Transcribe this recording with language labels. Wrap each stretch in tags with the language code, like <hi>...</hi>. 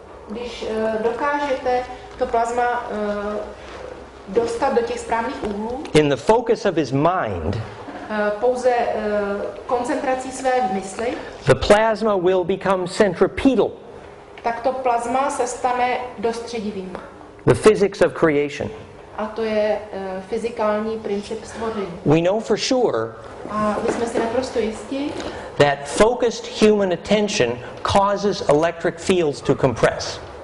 <cs>Když dokážete to plasma dostat do těch správných úhlů,</cs> <en>in the focus of his mind,</en> <cs>pouze koncentrací své mysli,</cs> <en>the plasma will become centripetal.</en> <cs>Tak to plasma se stane dostředivým.</cs> <en>The physics of creation.</en> <cs>A to je fyzikální princip stvoření.</cs> <en>We know for sure,</en> <cs>a my jsme si naprosto jistí,</cs> <en>that focused human attention causes electric fields to compress.</en>